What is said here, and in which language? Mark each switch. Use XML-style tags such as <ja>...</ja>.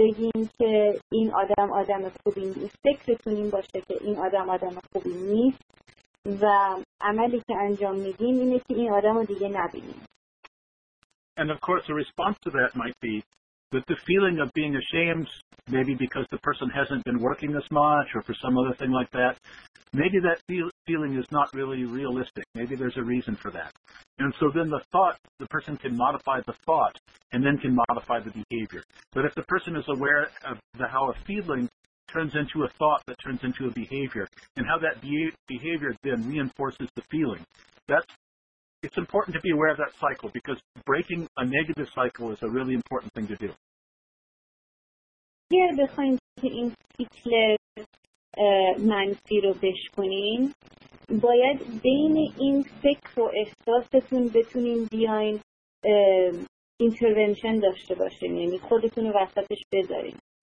<fa>بگیم که این آدم آدم خوبی نیست، فکرتون این باشه که این آدم آدم خوبی نیست و عملی که انجام میدیم اینه که این آدم رو دیگه نبینیم.</fa> <en>And of course the response to that might be with the feeling of being ashamed, maybe because the person hasn't been working as much or for some other thing like that, maybe that feeling is not really realistic. Maybe there's a reason for that. And so then the thought, the person can modify the thought and then can modify the behavior. But if the person is aware of the, how a feeling turns into a thought that turns into a behavior and how that behavior then reinforces the feeling, that's it's important to be aware of that cycle because breaking a negative cycle is a really important thing to do.</en> <fa>Yeah, بخواییم که این سیکل منفی رو بشکنیم باید بین این فکر و احساستون بتونین بیاین intervention داشته باشین، یعنی خودتون رو وسطش بذارین.</fa>